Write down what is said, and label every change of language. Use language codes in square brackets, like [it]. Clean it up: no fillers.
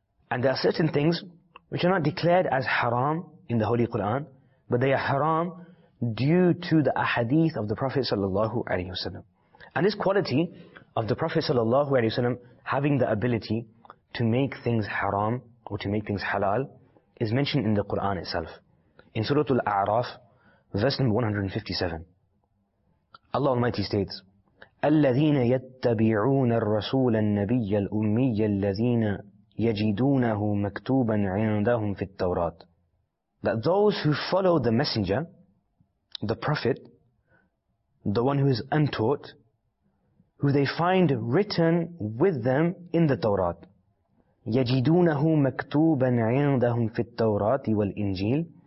[en] And there are certain things which are not declared as haram in the Holy Quran, but they are haram due to the ahadith of the Prophet sallallahu alayhi wasallam. And this quality of the Prophet sallallahu alayhi wasallam having the ability to make things haram or to make things halal is mentioned in the Quran itself. In Surah Al-A'raf, verse number 157, Allah Almighty states, [ar] الَّذِينَ يَتَّبِعُونَ الرَّسُولَ النَّبِيَّ الْأُمِّيَّ الَّذِينَ يَجِدُونَهُ مَكْتُوبًا عِنْدَهُمْ فِي التَّوْرَاتِ. [en] That those who follow the messenger, the prophet, the one who is untaught, who they find written with them in the Torah. [ar] يَجِدُونَهُ مَكْتُوبًا عِنْدَهُمْ فِي التَّوْرَاتِ وَالْإِنْجِيلِ.